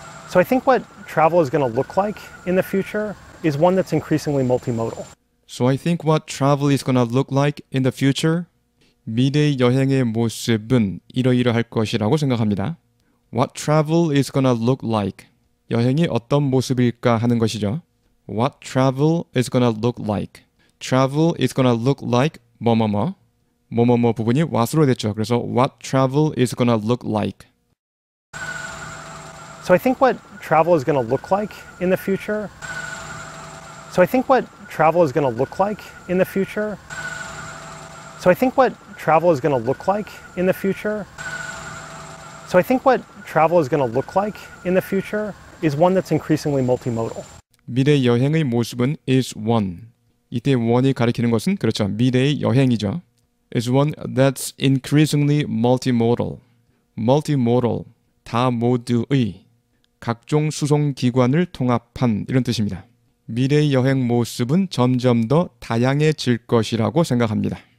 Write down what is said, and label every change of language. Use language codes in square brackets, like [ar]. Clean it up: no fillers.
[en] So I think what travel is going to look like in the future is one that's increasingly multimodal. So I think what travel is going to look like in the future. [ko] 미래 여행의 모습은 이러이러할 것이라고 생각합니다. [en] What travel is going to look like. [ko] 여행이 어떤 모습일까 하는 것이죠. [en] What travel is going to look like. Travel is going to look like 뭐뭐뭐. [ko] 뭐뭐뭐 부분이 what으로 됐죠. [en] 그래서 what travel is going to look like. So I think what travel is going to look like in the future. So I think what travel is going to look like in the future. So I think what travel is going to look like in the future. So I think what travel is going to look like in the future is one that's increasingly multimodal. [ko] 미래 여행의 모습은 [en] is one. [ko] 이때 one이 가리키는 것은 그렇죠. 미래의 여행이죠. [en] is one that's increasingly multimodal. multimodal. [ko] 다 모두의. 각종 수송기관을 통합한 이런 뜻입니다. 미래의 여행 모습은 점점 더 다양해질 것이라고 생각합니다.